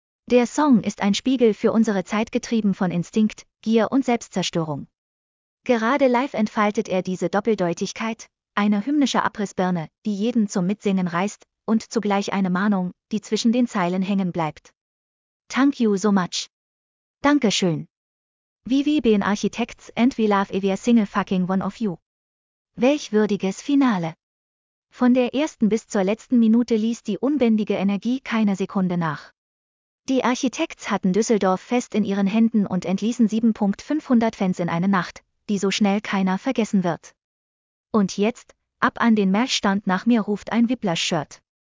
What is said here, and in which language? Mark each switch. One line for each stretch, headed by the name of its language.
German: Der Song ist ein Spiegel für unsere Zeit, getrieben von Instinkt, Gier und Selbstzerstörung. Gerade live entfaltet er diese Doppeldeutigkeit, eine hymnische Abrissbirne, die jeden zum Mitsingen reißt, und zugleich eine Mahnung, die zwischen den Zeilen hängen bleibt.
English: Thank you so much. Dankeschön. We been architects and we love every single fucking one of you.
German: Welch würdiges Finale. Von der ersten bis zur letzten Minute ließ die unbändige Energie keine Sekunde nach. Die Architekts hatten Düsseldorf fest in ihren Händen und entließen 7.500 Fans in eine Nacht, die so schnell keiner vergessen wird. Und jetzt, ab an den Merchstand nach mir ruft ein Whiplash-Shirt.